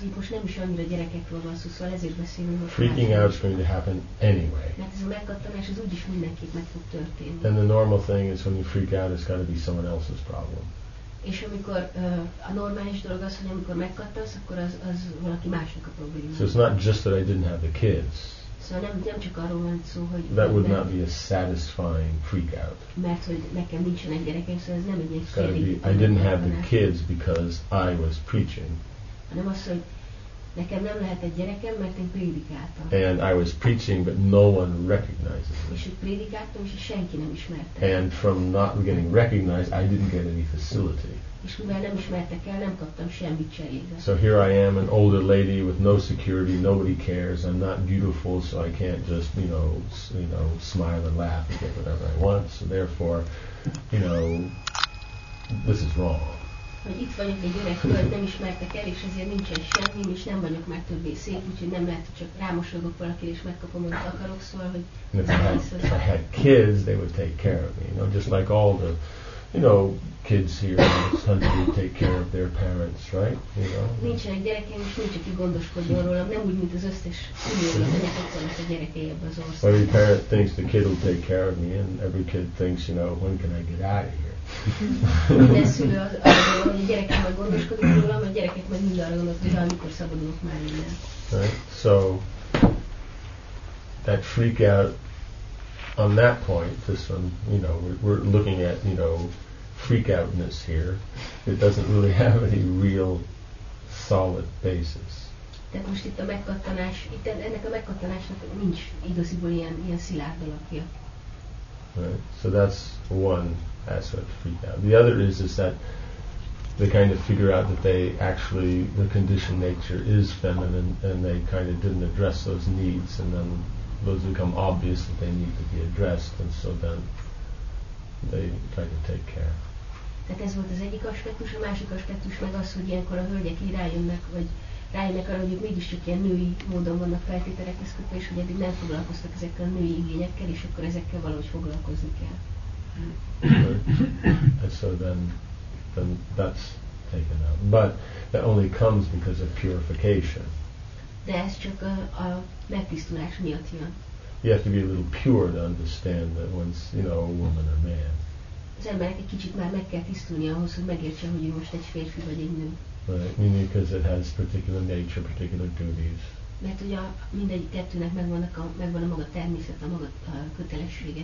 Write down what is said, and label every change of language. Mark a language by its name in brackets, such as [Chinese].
[English] Freaking out is going to happen anyway. Then the normal thing is when you freak out it's gotta be someone else's problem. [Hungarian] És amikor a normális dolog az, hogy amikor megkattasz, akkor az valaki másnak a probléma. [English] So it's not just that I didn't have the kids. [Hungarian] Szóval nem csak arról van szó, hogy [English] that would not be a satisfying freak out. [Hungarian] Mert hogy nekem nincsen egy gyerekem, szóval ez nem egy ilyen [English] I didn't have the kids because I was preaching. [Hungarian] Hanem az, hogy nekem nem lehet egy gyerekem, mert én prédikáltam. [English] And I was preaching, but no one recognizes me. [Hungarian] És prédikáltam, és senki nem ismerte. [English] And from not getting recognized, I didn't get any facility. [Hungarian] És mivel nem ismertek el, nem kaptam semmit cserébe. [English] So here I am, an older lady with no security, nobody cares, I'm not beautiful, so I can't just, you know, smile and laugh and get whatever I want. So therefore, you know, this is wrong. [Hungarian] Hogy itt vagyok egy öreg hölgy, nem ismertek el, és ezért nincsen semmi, és nem vagyok már többé szép, úgyhogy nem lehet, hogy csak rámosolgok valakire, és megkapom, amit akarok, szóval, hogy [English] if I had kids, they would take care of me, you know, just like all the, you know, kids here, it's time to take care of their parents, right, you know? [Hungarian] Nincsen egy gyerekem, és nincs, aki gondoskodjon rólam, nem úgy, mint az összes különböző, hogy ott a gyerekei ebbe az országban. [English] Every parent thinks the kid will take care of me, and every kid thinks, you know, when can I get out of here? [Hungarian] Minden szülő az arra gondol, hogy a gyerekem meg gondoskodik rólam, a gyerekek meg mind arra gondol, hogy amikor szabadulok már innen. [English] Right. So, that freak out, on that point, this one, you know, we're looking at, you know, freak outness here. It doesn't really have any real solid basis. [Hungarian] Tehát most itt a megkattanás, itt ennek a megkattanásnak nincs igaziból ilyen szilárd alapja. [English] Right. So that's one aspect of freak out. The other is that they kind of figure out that they actually, the conditioned nature is feminine and they kind of didn't address those needs and then those become obvious that they need to be addressed and so then they try to take care. [Hungarian] Tehát ez volt az egyik aspektus, a másik aspektus meg az, hogy ilyenkor a hölgyek így rájönnek arra, hogy mégiscsak ilyen női módon vannak feltételekhez kötve, és hogy eddig nem foglalkoztak ezekkel a női igényekkel, és akkor ezekkel valahogy foglalkozni kell. [English] And so then that's taken out. But that only comes because of purification. [Hungarian] De ez csak a megtisztulás miatt jön. [English] You have to be a little pure to understand that one's, you know, a woman or man. [Hungarian] Az embernek egy kicsit már meg kell tisztulni ahhoz, hogy megértse, hogy most egy férfi vagy egy nő. [English] Right, meaning because it has particular nature, particular duties. [Hungarian] Mert ugye mindegy kettőnek megvan a maga természet, a maga kötelessége.